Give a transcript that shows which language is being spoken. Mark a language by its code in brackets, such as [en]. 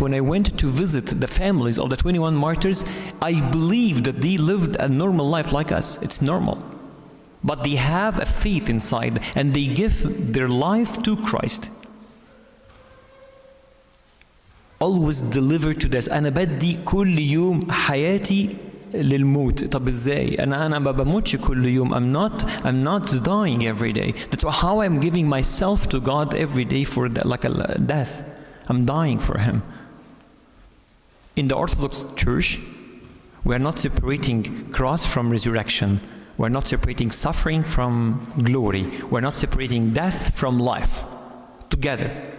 [en] When I went to visit the families of the 21 martyrs, I believed that they lived a normal life like us. It's normal. But they have a faith inside and they give their life to Christ. Always delivered to death. [ar] أنا بدي كل يوم حياتي للموت. طب إزاي؟ أنا ما بموتش كل يوم. [en] I'm not dying every day. That's how I'm giving myself to God every day for like a death. I'm dying for him. In the Orthodox Church, we are not separating cross from resurrection. We're not separating suffering from glory. We're not separating death from life. Together.